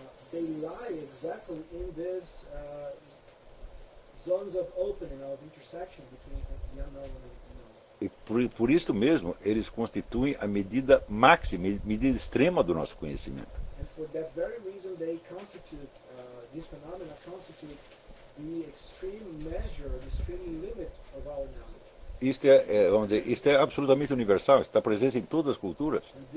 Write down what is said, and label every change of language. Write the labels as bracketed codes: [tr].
[en] They lie exactly in this zones of opening, of intersection between the unknown and the known. [pt] E por isso mesmo, eles constituem a medida máxima, medida extrema do nosso conhecimento. [en] And for that very reason, they constitute, these phenomena constitute the extreme measure, the extreme limit of our knowledge. [pt] Isto é, vamos dizer, isto é absolutamente universal, está presente em todas as culturas.